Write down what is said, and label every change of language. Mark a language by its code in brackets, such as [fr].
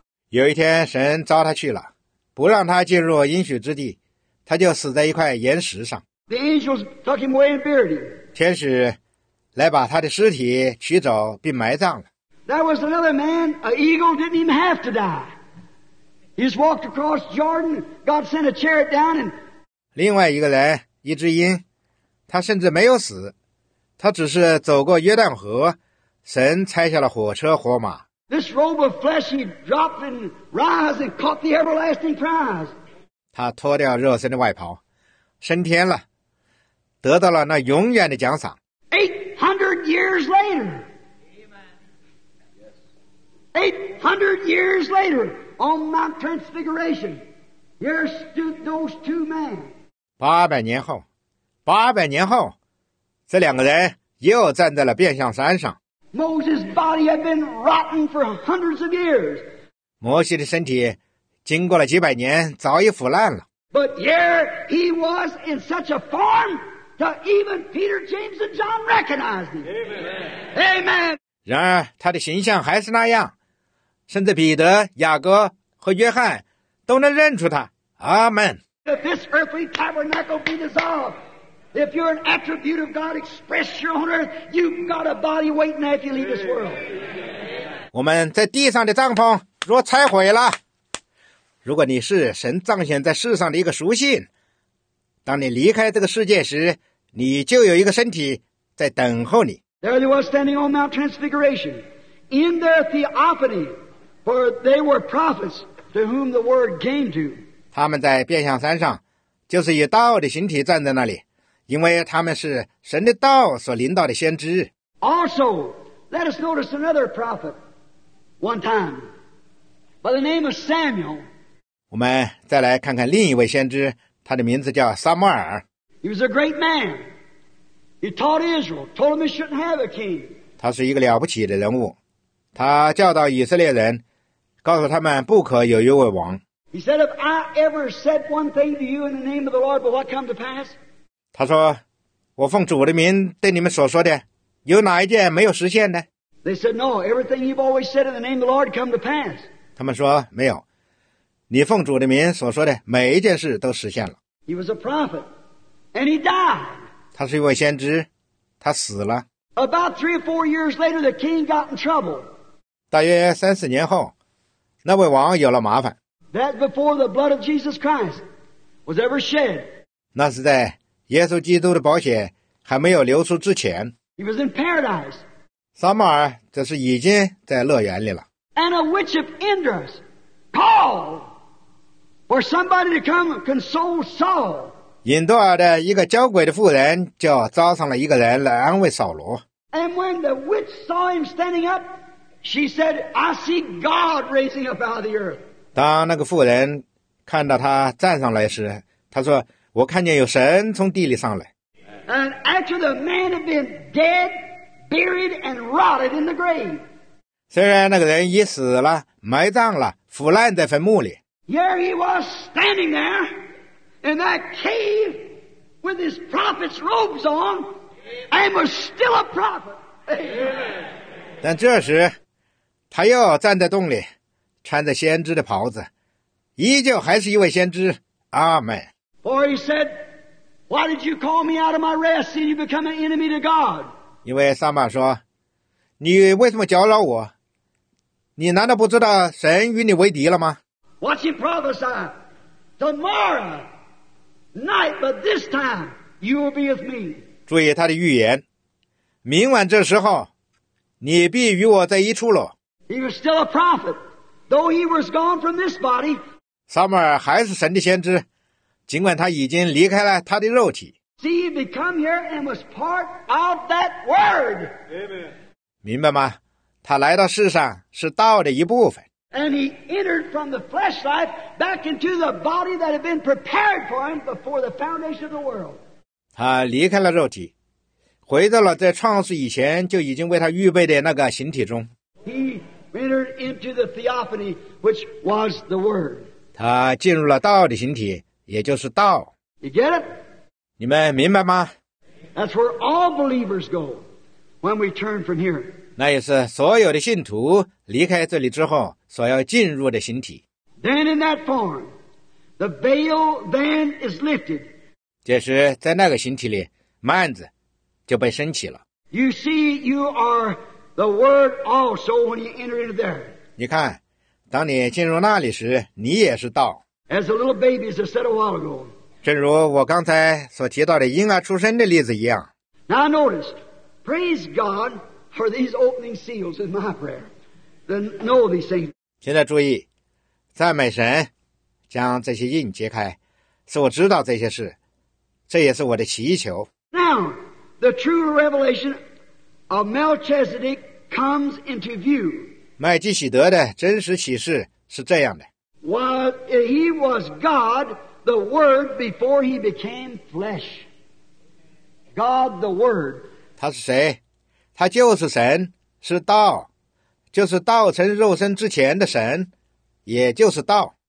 [zh] 有一天，神召他去了，不让他进入应许之地，他就死在一块岩石上。 [en] The angels took him away and buried him. [zh] 天使来把他的尸体取走并埋葬了。 [en] There was another man, an eagle didn't even have to die. He's walked across Jordan. God sent a chariot down and. [zh] 另外一个人，一只鹰，他甚至没有死，他只是走过约旦河，神拆下了火车火马。 [en] This robe of flesh he dropped and rise and caught the everlasting prize. [zh] 他脱掉肉身的外袍，升天了，得到了那永远的奖赏。 [en] 800 years later. Amen. Yes. 800 years later. On Mount Transfiguration, here stood those two men. 800 years later, 800 years later, [zh] 这两个人又站在了变相山上。 [en] Moses' body had been rotten for hundreds of years. [zh] 摩西的身体经过了几百年，早已腐烂了。 [en] But here he was in such a form that even Peter, James, and John recognized him. Amen. Amen. [zh] 然而他的形象还是那样。甚至彼得、雅各和约翰都能认出他。阿们。 [en] If this earthly tabernacle be dissolved, if you're an attribute of God expressed here on earth, you've got a body waiting after you leave this world. [zh] 我们在地上的帐篷若拆毁了，如果你是神彰显在世上的一个属性，当你离开这个世界时，你就有一个身体在等候你。 [en] There they were standing on Mount Transfiguration, in their theophany. For they were prophets to whom the word came to. [zh] 他们在变相山上，就是以道的形体站在那里，因为他们是神的道所领导的先知。 [en] Also, let us notice another prophet, one time, by the name of Samuel. [zh] 我们再来看看另一位先知，他的名字叫撒母耳。 [en] He was a great man. He taught Israel, told them they shouldn't have a king. [zh] 他是一个了不起的人物。他教导以色列人，告诉他们不可有一位王。 [en] He said, "If I ever said one thing to you in the name of the Lord, will what come to pass?" [zh] 他说，我奉主的名对你们所说的，有哪一件没有实现呢 [en] ？They said, "No, everything you've always said in the name of the Lord come to pass." [zh] 他们说没有，你奉主的名所说的每一件事都实现了。 [en] He was a prophet, and he died. [zh] 他是一位先知，他死了。 [en] About 3 or 4 years later, the king got in trouble. [zh] 大约三四年后，那位王有了麻烦。 [en] That before the blood of Jesus Christ was ever shed. [zh] 那是在耶稣基督的宝血还没有流出之前。 [en] He was in paradise. [zh] 撒母耳这是已经在乐园里了。 [en] And a witch of Endor called for somebody to come console Saul. [zh] 引多尔的一个娇鬼的妇人就招上了一个人来安慰扫罗。 [en] And when the witch saw him standing up, she said, "I see God raising up out of the earth." [zh] 当那个妇人看到他站上来时，她说：“我看见有神从地里上来。 [en] ”And after the man had been dead, buried, and rotted in the grave. [zh] 虽然那个人已死了，埋葬了，腐烂在坟墓里。 [en] Here he was standing there. In that cave with his prophet's robes on, and was still a prophet. [zh] 但这时，他又站在洞里，穿着先知的袍子，依旧还是一位先知。阿门。 [en] For he said, "Why did you call me out of my rest, seeing you become an enemy to God?" [zh] 因为撒母耳说，你为什么搅扰我？你难道不知道神与你为敌了吗 [en] ？Watch him prophesy tomorrow. Night, but this time you will be with me. [zh] 注意他的预言，明晚这时候，你必与我在一处了。 [en] He was still a prophet, though he was gone from this body. [zh] 撒母耳还是神的先知，尽管他已经离开了他的肉体。 [en] See, he became here and was part of that word. Amen. [zh] 明白吗？他来到世上是道的一部分。 [en] And he entered from the flesh life back into the body that had been prepared for him before the foundation of the world. [zh] 他离开了肉体，回到了在创世以前就已经为他预备的那个形体中。 [en] He entered into the theophany, which was the word. [zh] 他进入了道的形体，也就是道。 [en] You get it? [zh] 你们明白吗 [en] ？That's where all believers go when we turn from here. [zh] 那也是所有的信徒离开这里之后。所要进入的形体。 [en] Then in that form, the veil then is lifted. [zh] 这时，在那个形体里，幔子就被升起了。 [en] You see, you are the word also when you enter into there. [zh] 你看，当你进入那里时，你也是道。 [en] As a little baby is said a while ago. [zh] 正如我刚才所提到的婴儿出生的例子一样。 [en] Now I noticed, praise God for these opening seals in my prayer. Then know these things. [zh] 现在注意，赞美神，将这些印揭开，使我知道这些事，这也是我的祈求。 [en] Now, the true revelation of Melchizedek comes into view. [zh] 麦基洗德的真实启示是这样的。 [en] Well, he was God, the Word, before he became flesh. God, the Word. [zh] 他是谁？他就是神，是道，就是道成肉身之前的神，也就是道。